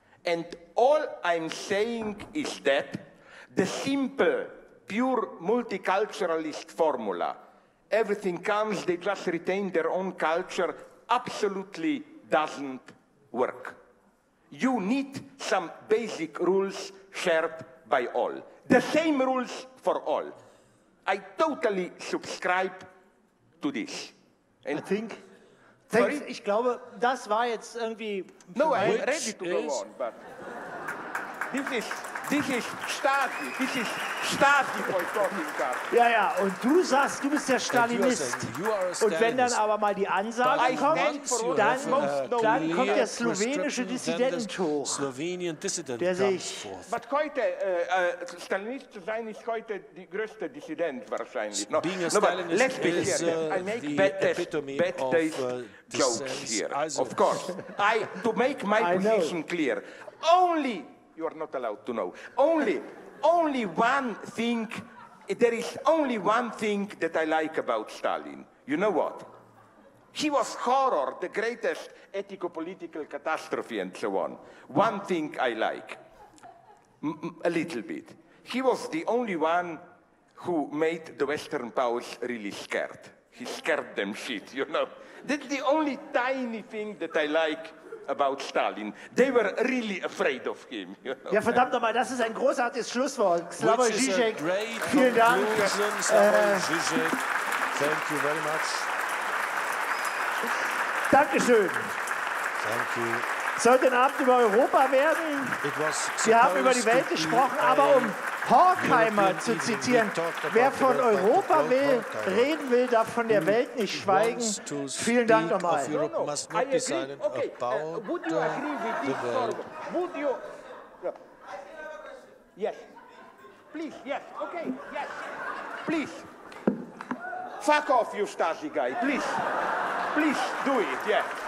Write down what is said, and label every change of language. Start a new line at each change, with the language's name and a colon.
English: And all I'm saying is that the simple, pure multiculturalist formula, everything comes, they just retain their own culture, absolutely doesn't work. You need some basic rules shared by all. The same rules for all. I totally subscribe to this. And I think, thanks, sorry?
German: Ich glaube, das war jetzt irgendwie...
English: No, I'm ready to go on, but... This is Stasi. This is Stasi, who I'm talking about.
German: Ja, ja, und du sagst, du bist der Stalinist. Und wenn dann aber mal die Ansage kommt, dann kommt der slowenische Dissident hoch. Der sich... But heute, Stalinist zu sein, ist heute die größte Dissident wahrscheinlich.
English: Being a Stalinist is the epitome of jokes here. Of course. To make my position clear, only... You are not allowed to know. Only one thing, there is only one thing that I like about Stalin. You know what? He was horror, the greatest ethico-political catastrophe, and so on. One thing I like, a little bit. He was the only one who made the Western powers really scared. He scared them shit, you know. That's the only tiny thing that I like about Stalin. They were really afraid of him. You know?
German: Ja, verdammt nochmal, das ist ein großartiges Schlusswort. Slavoj Žižek, vielen Dank.
English: Žižek. Thank you very much.
German: Dankeschön.
English: Thank you.
German: Sollte ein Abend über Europa werden. Wir haben über die Welt gesprochen, aber um Horkheimer zu zitieren, wer von Europa will, reden will, darf von der Welt nicht schweigen. Vielen Dank nochmal.
English: No, no. I agree. Okay. Would you agree with this forward? Would you? Yes. Please, yes. Okay, yes. Please. Fuck off, you Stasi guy. Please. Please, do it, yes.